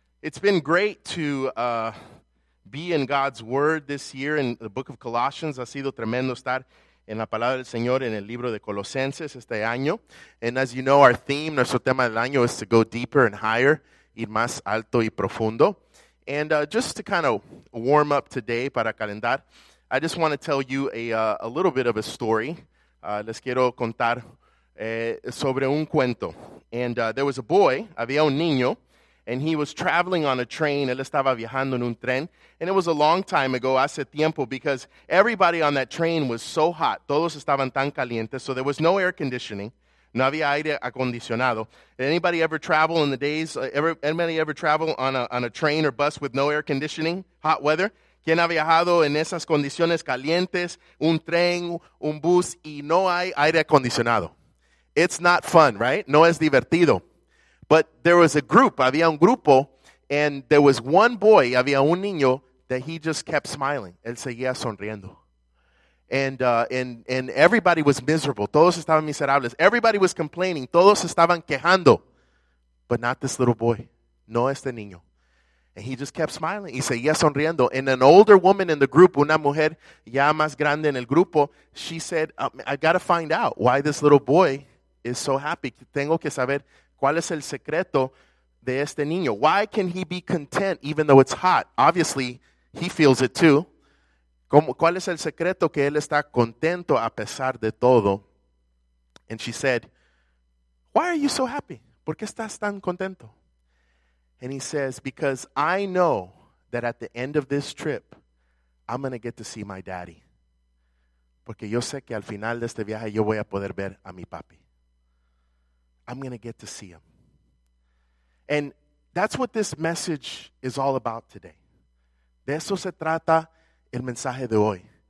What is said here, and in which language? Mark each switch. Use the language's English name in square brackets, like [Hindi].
[English] It's been great to be in God's Word this year in the book of Colossians. [Spanish] Ha sido tremendo estar en la palabra del Señor en el libro de Colosenses este año. [English] And as you know, our theme, [Spanish] nuestro tema del año [English] is to go deeper and higher, [Spanish] ir más alto y profundo. [English] And just to kind of warm up today [Spanish] para calendar, [English] I just want to tell you a little bit of a story. [Spanish] Les quiero contar sobre un cuento. [English] And there was a boy, [Spanish] había un niño, [English] and he was traveling on a train. [Spanish] Él estaba viajando en un tren. [English] And it was a long time ago, [Spanish] hace tiempo, [English] because everybody on that train was so hot. [Spanish] Todos estaban tan calientes. [English] So there was no air conditioning. [Spanish] No había aire acondicionado. [English] Anybody ever travel in the days, anybody ever travel on a train or bus with no air conditioning, hot weather? [Spanish] ¿Quién ha viajado en esas condiciones calientes, un tren, un bus, y no hay aire acondicionado? [English] It's not fun, right? [Spanish] No es divertido. [English] But there was a group, [Spanish] había un grupo, [English] and there was one boy, [Spanish] había un niño, [English] that he just kept smiling. [Spanish] Él seguía sonriendo. [English] And everybody was miserable. [Spanish] Todos estaban miserables. [English] Everybody was complaining. [Spanish] Todos estaban quejando. [English] But not this little boy. [Spanish] No este niño. [English] And he just kept smiling. [Spanish] Y seguía sonriendo. [English] And an older woman in the group, [Spanish] una mujer ya más grande en el grupo, [English] she said, I got to find out why this little boy is so happy. [Spanish] Tengo que saber cuál es el secreto de este niño. [English] Why can he be content even though it's hot? Obviously, he feels it too. [Spanish] ¿Cuál es el secreto que él está contento a pesar de todo? [English] And she said, why are you so happy? [Spanish] ¿Por qué estás tan contento? [English] And he says, because I know that at the end of this trip, I'm going to get to see my daddy. [Spanish] Porque yo sé que al final de este viaje yo voy a poder ver a mi papi. [English] I'm going to get to see him. And that's what this message is all about today. [Spanish] De eso se trata el mensaje de hoy.